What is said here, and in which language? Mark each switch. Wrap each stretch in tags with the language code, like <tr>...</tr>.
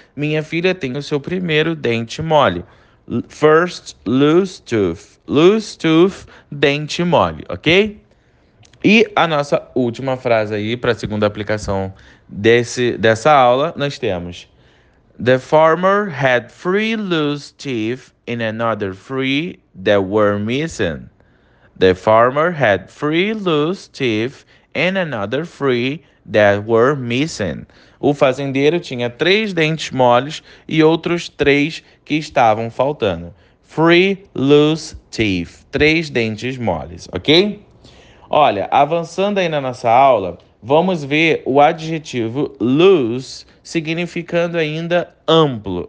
<pt>Minha filha tem o seu primeiro dente mole.</pt> <en>First loose tooth. Loose tooth,</en> <pt>dente mole, ok? E a nossa última frase aí para a segunda aplicação dessa aula, nós temos.</pt> <en>The farmer had three loose teeth in another three that were missing. The farmer had three loose teeth in another three that were missing.</en> <pt>O fazendeiro tinha três dentes moles e outros três que estavam faltando.</pt> <en>Three loose teeth.</en> <pt>Três dentes moles, ok? Olha, avançando aí na nossa aula, vamos ver o adjetivo loose significando ainda amplo.</pt>